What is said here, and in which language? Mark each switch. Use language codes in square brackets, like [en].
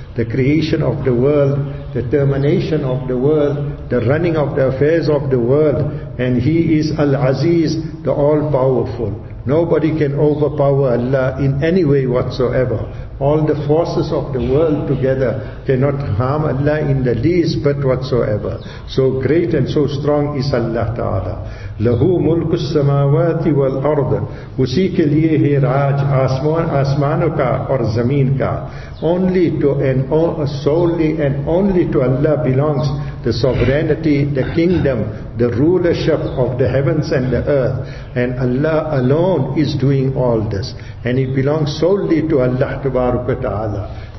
[en] The creation of the world, the termination of the world, the running of the affairs of the world, and he is Al-Aziz, the All-Powerful. Nobody can overpower Allah in any way whatsoever. All the forces of the world together cannot harm Allah in the least but whatsoever. So great and so strong is Allah Ta'ala. [ar] لَهُ مُلْكُ السَّمَاوَاتِ وَالْأَرْضِ. [ur] اسی کے لئے ہے راج آسمانوں کا اور زمین کا. [en] Only to and solely and only to Allah belongs the sovereignty, the kingdom, the rulership of the heavens and the earth. And Allah alone is doing all this. And it belongs solely to Allah Tabaraka Ta'ala.